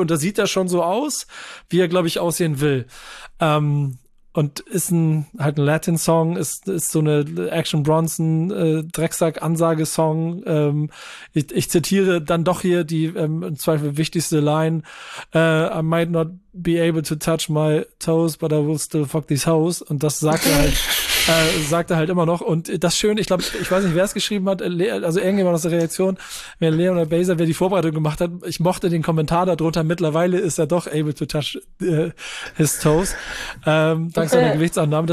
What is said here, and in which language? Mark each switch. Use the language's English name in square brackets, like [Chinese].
[German] Und da sieht er schon so aus, wie er, glaube ich, aussehen will. Und ist ein Latin-Song, ist so eine Action-Bronson-Drecksack-Ansage-Song. Ich zitiere dann doch hier die im Zweifel wichtigste Line. [English] I might not be able to touch my toes, but I will still fuck this house. [German] Und das sagt er halt immer noch. Und das Schöne, ich glaube, ich weiß nicht, wer es geschrieben hat, also irgendjemand aus der Reaktion, wer Leon oder Baser, wer die Vorbereitung gemacht hat, ich mochte den Kommentar darunter, mittlerweile ist er doch [English] able to touch his toes, [German] dank seiner Gewichtsannahme.